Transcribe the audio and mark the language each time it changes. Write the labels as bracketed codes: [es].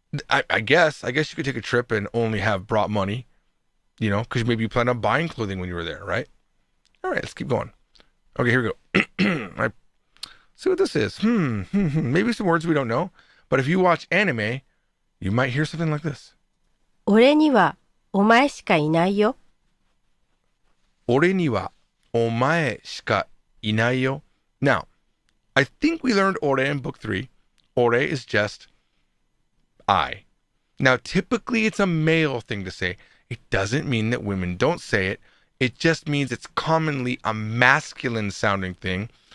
[en] I guess you could take a trip and only have brought money, you know, because maybe you plan on buying clothing when you were there, right? All right, let's keep going. Okay, here we go. Let's see what this is. Maybe some words we don't know, but if you watch anime, you might hear something like this. [ja] 俺にはお前しかいないよ。俺にはお前しかいないよ。 [en] Now, I think we learned 俺 in book 3. 俺 is just... I. Now, typically, it's a male thing to say. It doesn't mean that women don't say it. It just means it's commonly a masculine-sounding thing.